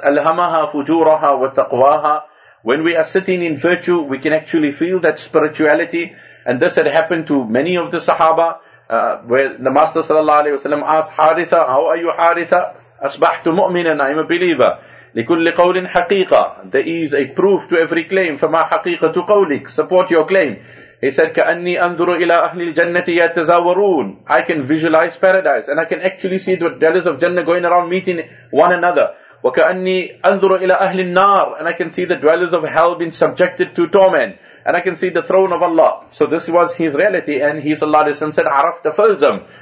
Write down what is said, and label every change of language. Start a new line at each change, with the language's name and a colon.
Arabic: Alhamaha fujuraha wa taqwaha.
English: When we are sitting in virtue, we can actually feel that spirituality. And this had happened to many of the sahaba, where the Master sallallahu alayhi wa sallam asked Haritha, how are you Haritha?
Arabic: Asbahtu mu'minan,
English: I'm a believer.
Arabic: لِكُلِّ قَوْلٍ حَقِيقَةٍ.
English: There is a proof to every claim.
Arabic: فَمَا حَقِيقَةُ قَوْلِكَ.
English: Support your claim. He said,
Arabic: كَأَنِّي أَنْذُرُ إِلَىٰ أَهْلِ الْجَنَّةِ يَتَزَاوَرُونَ.
English: I can visualize paradise and I can actually see the dwellers of Jannah going around meeting one another.
Arabic: وَكَأَنِّي أَنْذُرُ إِلَىٰ أَهْلِ النَّارِ.
English: And I can see the dwellers of hell being subjected to torment. And I can see the throne of Allah. So this was his reality. And he sallallahu alayhi wa sallam said,
Arabic: عَرَفْتَ فَلْزَمْ.